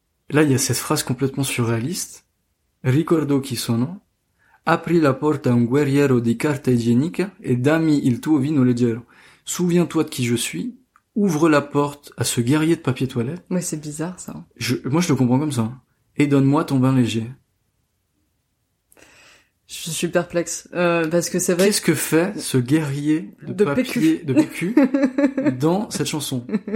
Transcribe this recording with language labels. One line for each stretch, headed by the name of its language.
French: Là, il y a cette phrase complètement surréaliste.
Italian: Ricordo chi sono. Apri la porta a un guerriero di carta igienica e dammi il tuo vino leggero.
French: Souviens-toi de qui je suis. Ouvre la porte à ce guerrier de papier toilette. Mais c'est bizarre, ça. Moi, je le comprends comme ça. Et donne-moi ton vin léger. Je suis perplexe. Parce que c'est vrai. Qu'est-ce que fait ce guerrier de papier PQ. De PQ dans cette chanson?